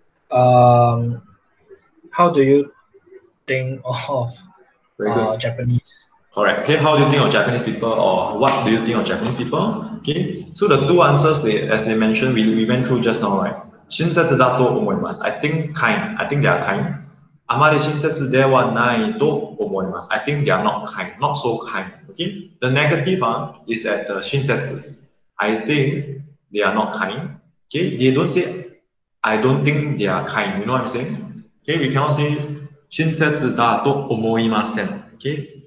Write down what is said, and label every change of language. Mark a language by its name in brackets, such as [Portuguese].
[English] How do you think of Japanese? Correct. Okay, how do you think of Japanese people, or what do you think of Japanese people? Okay. So the two answers, as they mentioned, we went through just now, right? [Japanese] 親切だと思います. [English] I think kind. I think they are kind. [Japanese] あまり親切ではないと思います。 [English] I think they are not kind, not so kind. Okay? The negative is at the 親切.I think they are not kind. Okay? They don't say, I don't think they are kind. You know what I'm saying? Okay? We cannot say [Japanese] 親切だと思いません. [English] Okay?